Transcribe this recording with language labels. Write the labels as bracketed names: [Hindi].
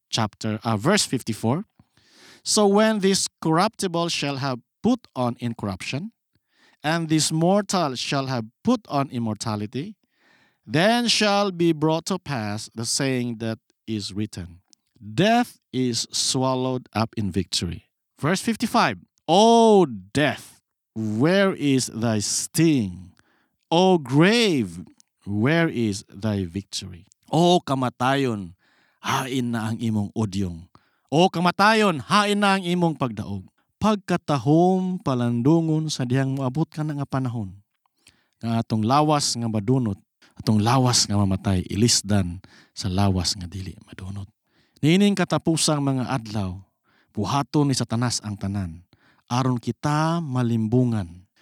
[English] Verse 54. "So when this corruptible shall have put on incorruption, and this mortal shall have put on immortality, then shall be brought to pass the saying that is written, death is swallowed up in victory." Verse 55. "O death, where is thy sting? O grave, where is thy victory?" [Cebuano] O kamatayon, hain na ang imong odyong. O kamatayon, hain na ang imong pagdaog. Pagkatahom palandungon sa dihang maabot ka na nga panahon nga atong lawas nga madunot, atong lawas nga mamatay, ilisdan sa lawas nga dili madunot. Nining katapusang mga adlaw, buhaton ni Satanas ang tanan aron kita malimbungan.